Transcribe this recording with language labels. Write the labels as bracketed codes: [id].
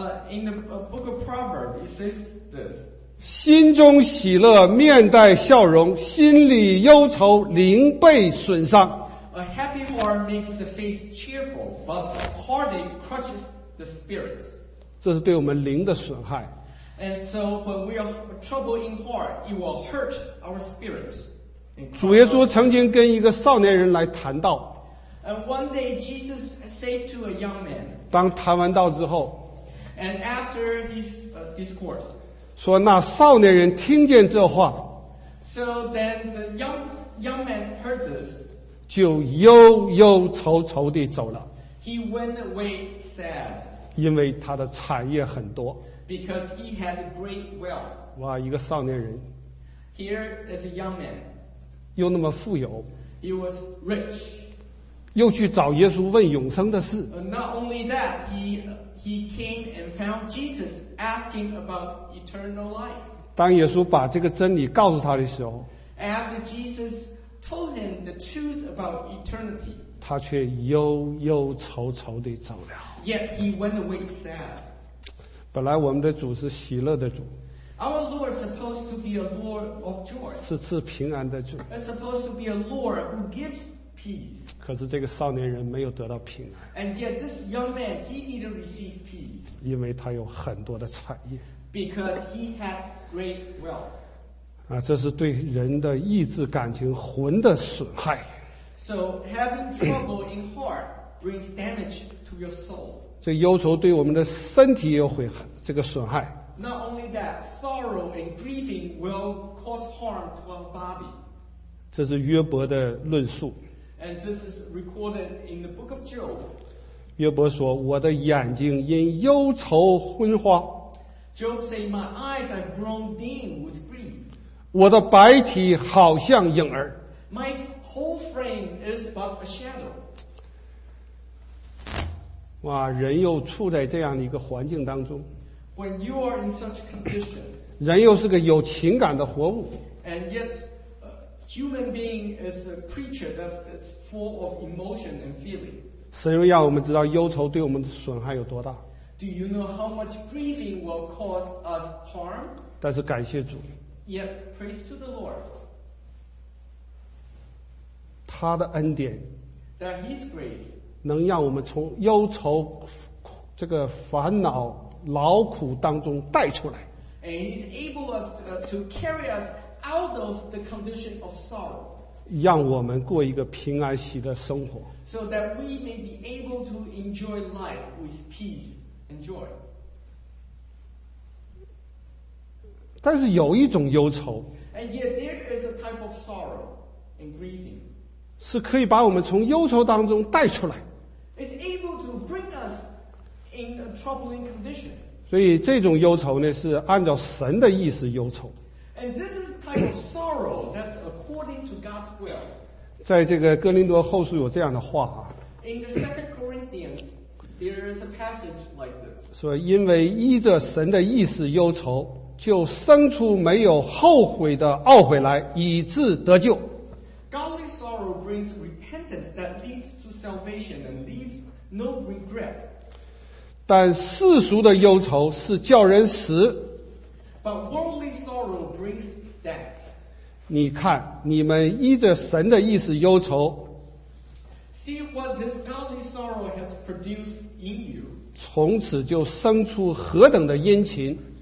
[en] In the book of Proverbs, it says this. [zh] 心中喜乐，面带笑容；心里忧愁，灵被损伤。 [en] A happy heart makes the face cheerful, but heartache crushes the spirit. [zh] 这是对我们灵的损害。 [en] And so when we are troubled in heart, it will hurt our spirit. [zh] 主耶稣曾经跟一个少年人来谈道。 [en] And one day Jesus said to a young man. [zh] 当谈完道之后。 [en] And after his discourse. [zh] 说那少年人听见这话。 [en] So then the young man heard this. [zh] 就忧忧愁愁地走了。 [en] He went away sad. [zh] 因为他的产业很多。 [en] Because he had great wealth. [zh] 哇，一个少年人。 [en] Here is a young man. [zh] 又那么富有。 [en] He was rich. [zh] 又去找耶稣问永生的事。 [en] Not only that, he came and found Jesus asking about eternal life. [zh] 当耶稣把这个真理告诉他的时候。 [en] After Jesus. Told him the truth about eternity. [zh] 他却忧忧愁愁地走了。 [en] Yet he went away sad. [zh] 本来我们的主是喜乐的主。 [en] Our Lord is supposed to be a Lord of joy. [zh] 是赐平安的主。 [en] It's supposed to be a Lord who gives peace. [zh] 可是这个少年人没有得到平安。 [en] And yet this young man, he didn't receive peace. [zh] 因为他有很多的产业。 [en] Because he had great wealth. [zh] 啊，这是对人的意志、感情、魂的损害。 [en] So having trouble in heart brings damage to your soul. [zh] 这忧愁对我们的身体也会这个损害。 [en] Not only that, sorrow and grieving will cause harm to our body. [zh] 这是约伯的论述。 [en] And this is recorded in the book of Job. [zh] 约伯说：“我的眼睛因忧愁昏花。” [en] Job said, "My eyes have grown dim with grief." [zh] 我的白体好像影儿。 [en] My whole frame is but a shadow. [zh] 哇，人又处在这样的一个环境当中。 [en] When you are in such condition. [zh] 人又是个有情感的活物。 [en] And yet, human being is a creature that's full of emotion and feeling. [zh] 神让我们知道忧愁对我们的损害有多大。 [en] Do you know how much grieving will cause us harm? [zh] 但是感谢主。 [en] Yet praise to the Lord. [zh] 他的恩典 [en] that His grace [zh] 能让我们从忧愁这个烦恼劳苦当中带出来 [en] and He's able us to carry us out of the condition of sorrow. [zh] 让我们过一个平安喜乐的生活 [en] so that we may be able to enjoy life with peace and joy. [zh] 但是有一种忧愁 [en] And yet there is a type of sorrow and grieving. [zh] 是可以把我们从忧愁当中带出来 [en] It's able to bring us in a troubling condition. [zh] 所以这种忧愁呢是按照神的意思忧愁 [en] And this is a type of sorrow that's according to God's will. [zh] 在这个哥林多后书有这样的话、啊、 [en] In the second Corinthians, there is a passage like this. [zh] 说因为依着神的意思忧愁就生出没有后悔的懊悔来，以致得救。 [en] Godly sorrow brings repentance that leads to salvation and leaves no regret. [zh] 但世俗的忧愁是叫人死。 [en] But worldly sorrow brings death. [zh] 你看，你们依着神的意思忧愁。 [en] See what this godly sorrow has produced in you. [zh] 从此就生出何等的殷勤。